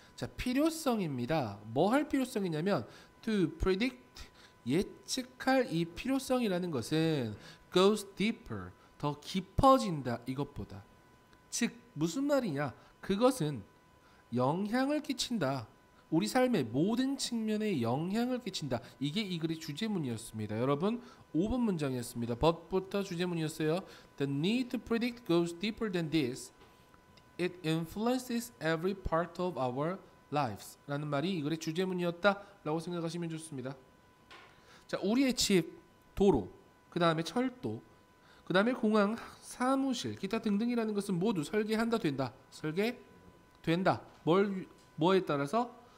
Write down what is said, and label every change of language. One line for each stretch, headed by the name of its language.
Korean: 자, 필요성입니다. 뭐할 필요성이냐면
English: to predict
Korean: 예측할 이 필요성이라는 것은
English: goes deeper
Korean: 더 깊어진다 이것보다. 즉 무슨 말이냐? 그것은 영향을 끼친다. 우리 삶의 모든 측면에 영향을 끼친다. 이게 이 글의 주제문이었습니다. 여러분, 5번 문장이었습니다. But부터 주제문이었어요.
English: The need to predict goes deeper than this. It influences every part of our lives.
Korean: 라는 말이 이 글의 주제문이었다라고 생각하시면 좋습니다. 자, 우리의 집, 도로, 그 다음에 철도, 그 다음에 공항, 사무실, 기타 등등이라는 것은 모두 설계한다, 된다. 설계된다. 뭐에 따라서?